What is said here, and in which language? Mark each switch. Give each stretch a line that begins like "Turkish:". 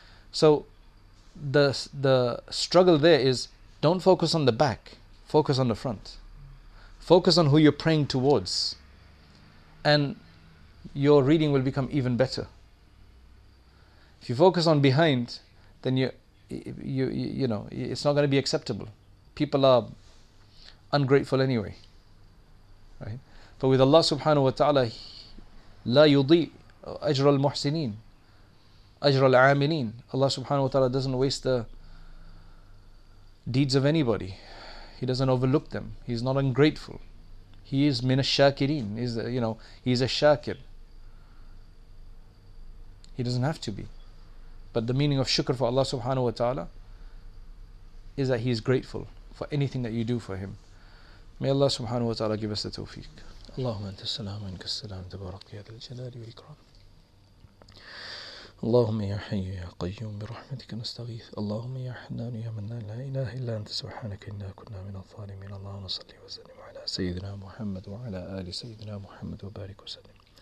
English: So the struggle there is don't focus on the back, focus on the front. Focus on who you're praying towards. And your reading will become even better. If you focus on behind, then you know it's not going to be acceptable. People are ungrateful anyway, right? But with Allah Subhanahu wa Taala,
Arabic: لا يضيع أجر المحسنين. أجر العاملين.
English: Allah subhanahu wa ta'ala doesn't waste the deeds of anybody. He doesn't overlook them. He's not ungrateful. He is
Arabic: من الشاكرين.
English: He's, you know, he's a shakir. He doesn't have to be. But the meaning of shukr for Allah subhanahu wa ta'ala is that He is grateful for anything that you do for Him. May Allah subhanahu wa ta'ala give us the tawfiq.
Arabic: اللهم أنت السلام منك السلام تبارك يا ذا الجلال والإكرام. اللهم يا حي يا قيوم برحمتك نستغيث. اللهم يا حنان يا منان لا إله إلا أنت سبحانك إنا كنا من الظالمين. اللهم صل وسلم على سيدنا محمد وعلى آل سيدنا محمد وبارك وسلم.